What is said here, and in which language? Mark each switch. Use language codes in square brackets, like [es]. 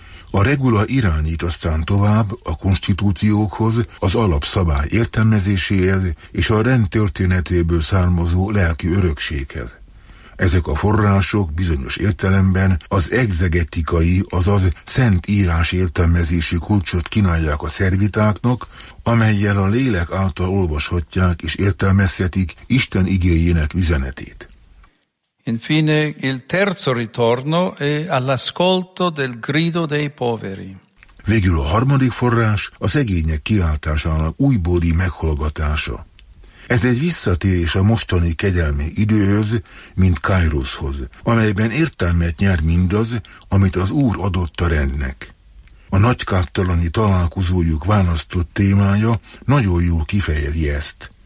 [hu] A regula irányít aztán tovább a konstitúciókhoz, az alapszabály értelmezéséhez és a rend történetéből származó lelki örökséghez. Ezek a források bizonyos értelemben az egzegetikai, azaz szent írás értelmezési kulcsot kínálják a szervitáknak, amellyel a lélek által olvashatják és értelmezhetik Isten igéjének üzenetét. [it] Infine, il terzo ritorno è all'ascolto del grido dei poveri. [hu] Végül a harmadik forrás a szegények kiáltásának újbóli meghallgatása. Ez egy visszatérés a mostani kegyelmi időhöz, mint Kairoshoz, amelyben értelmet nyer mindaz, amit az Úr adott a rendnek. A nagykáptalani találkozójuk választott témája nagyon jól kifejezi ezt.